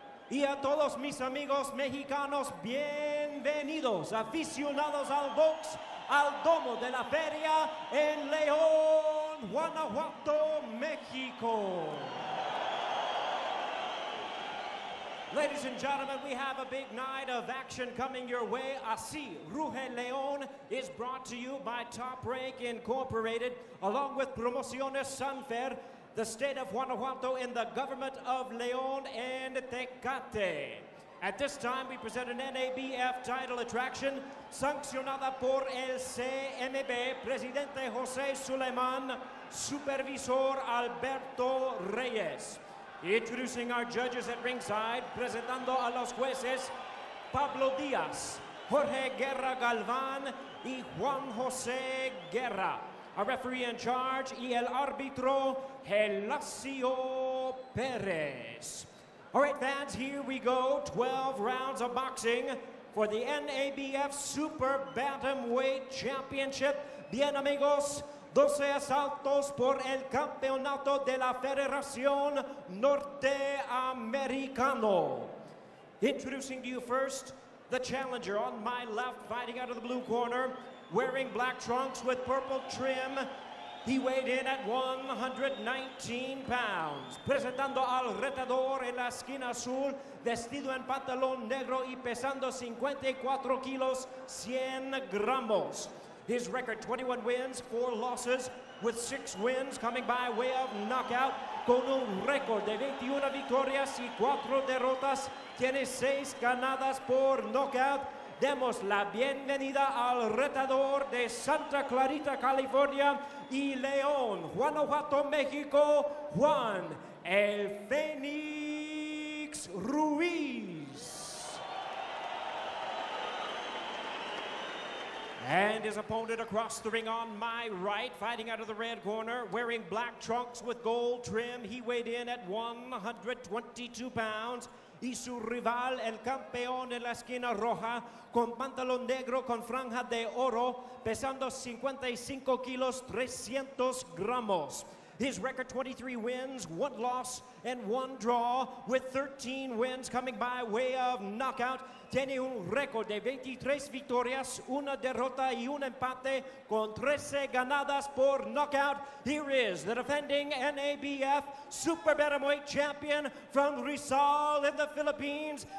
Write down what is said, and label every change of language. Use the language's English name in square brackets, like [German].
[Spanish] Y a todos mis amigos mexicanos, bienvenidos, aficionados al box, al Domo de la Feria en León, Guanajuato, Mexico. [English] Ladies and gentlemen, we have a big night of action coming your way. Así Ruge León is brought to you by Top Rank Incorporated, along with Promociones Sanfer, the state of Guanajuato, and the government of León and Tecate. At this time, we present an NABF title attraction, [Spanish] sancionada por el CMB, [English] Presidente José Suleiman, Supervisor Alberto Reyes. Introducing our judges at ringside, [Spanish] presentando a los jueces, [English] Pablo Díaz, Jorge Guerra Galván, y Juan José Guerra. Our referee in charge, [Spanish] y el árbitro, [English] Gelasio Pérez. All right, fans, here we go. 12 rounds of boxing for the NABF Super Bantamweight Championship. [Spanish] Bien, amigos, 12 asaltos por el Campeonato de la Federación Norteamericano. [English] Introducing to you first, the challenger on my left, fighting out of the blue corner, wearing black trunks with purple trim. He weighed in at 119 pounds. [Spanish] Presentando al retador en la esquina azul, vestido en pantalón negro y pesando 54 kilos, 100 gramos. [English] His record, 21 wins, 4 losses, with 6 wins coming by way of knockout. [Spanish] Con un récord de 21 victorias y 4 derrotas, tiene 6 ganadas por knockout. Demos la bienvenida al retador de Santa Clarita, California, y León, Guanajuato, México, Juan El Fénix Ruiz. [English] And his opponent across the ring on my right, fighting out of the red corner, wearing black trunks with gold trim. He weighed in at 122 pounds. [Spanish] Y su rival, el campeón en la esquina roja, con pantalón negro con franja de oro, pesando 55 kilos, 300 gramos. [English] His record, 23 wins, 1 loss, and 1 draw, with 13 wins coming by way of knockout. [Spanish] Tiene un récord de 23 victorias, una derrota y un empate, con 13 ganadas por knockout. [English] Here is the defending NABF Super Bantamweight Champion from Rizal in the Philippines.